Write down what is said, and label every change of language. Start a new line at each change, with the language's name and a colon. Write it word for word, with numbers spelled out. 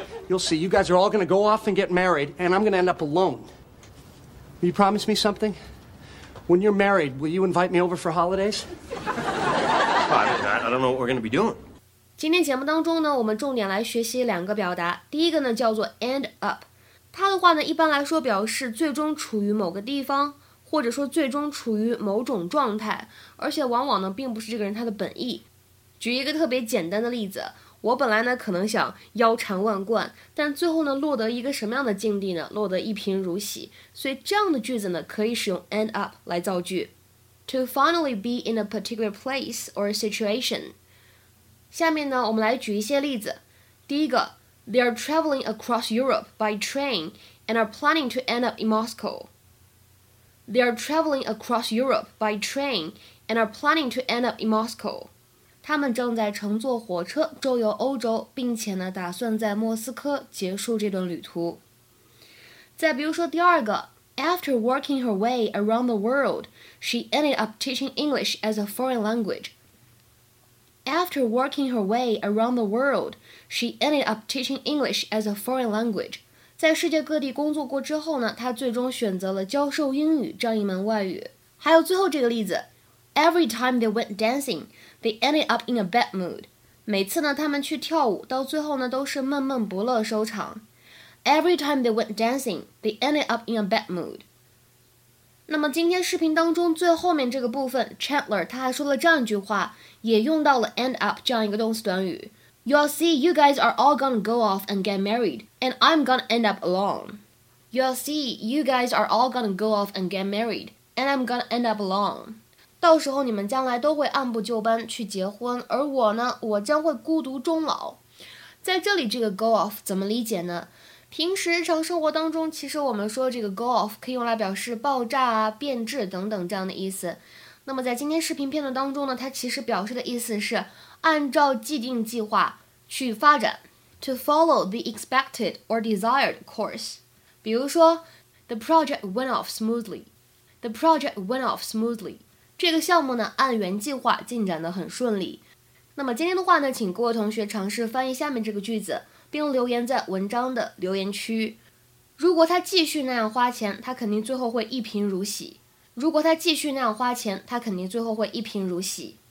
English: You'll see. You guys are all going to go off and get married, and I'm going to end up alone. Will you promise me something? When you're married, will you invite me over for holidays? I, I don't know what we're going to be doing.
Chinese: 今天节目当中呢，我们重点来学习两个表达。第一个呢叫做 end up， 它的话呢一般来说表示最终处于某个地方，或者说最终处于某种状态，而且往往呢并不是这个人他的本意。举一个特别简单的例子，我本来呢可能想腰缠万贯，但最后呢落得一个什么样的境地呢？落得一贫如洗。所以这样的句子呢可以使用 end up 来造句。
English: To finally be in a particular place or situation。
Chinese: 下面呢我们来举一些例子。第一个
English: They are traveling across Europe by train and are planning to end up in Moscow. They are traveling across Europe by train and are planning to end up in Moscow.
Chinese: 他们正在乘坐火车周游欧洲，并且呢，打算在莫斯科结束这段旅途。再比如说第二个
English: ，After working her way around the world, she ended up teaching English as a foreign language. After working her way around the world, she ended up teaching English as a foreign language.
Chinese: 在世界各地工作过之后呢，她最终选择了教授英语这样一门外语。还有最后这个例子
English: ，Every time they went dancing. They ended up in a bad mood.
Chinese: 每次呢，他们去跳舞，到最后呢，都是闷闷不乐收场。
English: Every time they went dancing, they ended up in a bad mood.
Chinese: 那么今天视频当中最后面这个部分 ，Chandler 他还说了这样一句话，也用到了 end up 这样一个动词短语。
English: You'll see, you guys are all gonna go off and get married, and I'm gonna end up alone. You'll see, you guys are all gonna go off and get married, and I'm gonna end up alone.
Chinese: 到时候你们将来都会按部就班去结婚，而我呢，我将会孤独终老。在这里这个 go off 怎么理解呢？平时日常生活当中，其实我们说这个 go off 可以用来表示爆炸啊、变质等等这样的意思。那么在今天视频片段当中呢，它其实表示的意思是按照既定计划去发展 ，
English: to follow the expected or desired course。
Chinese: 比如说
English: ，the project went off smoothly. The project went off smoothly.
Chinese: 这个项目呢，按原计划进展得很顺利。那么今天的话呢，请各位同学尝试翻译下面这个句子，并留言在文章的留言区。如果他继续那样花钱，他肯定最后会一贫如洗。如果他继续那样花钱，他肯定最后会一贫如洗。